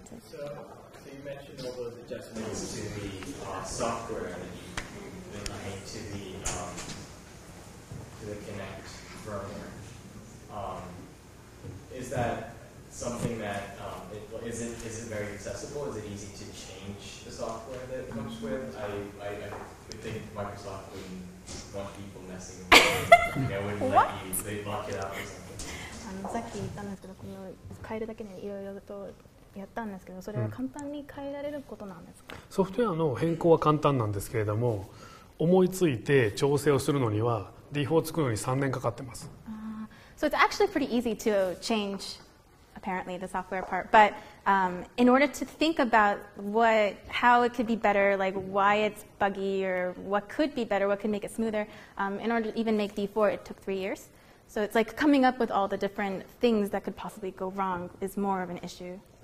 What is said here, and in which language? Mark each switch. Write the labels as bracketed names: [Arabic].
[English] So you mentioned all those adjustments to the software and to the Kinect firmware. Is that something that isn't very accessible? Is it easy to change the software that it comes with? I would think Microsoft wouldn't want people messing with it. They wouldn't what? Let you. They'd lock it up or something. [Japanese] さっき言ったんですけど、この変えるだけでいろいろとやったんですけど、それは簡単に変えられることなんですか？ソフトウェアの変更は簡単なんですけれども、思いついて調整をするのには、D4 を作るのに3年かかってます。 [English] So it's actually pretty easy to change, apparently, the software part. But in order to think about how it could be better, like why it's buggy or what could be better, what could make it smoother, in order to even make D4, it took 3 years. So it's like coming up with all the different things that could possibly go wrong is more of an issue.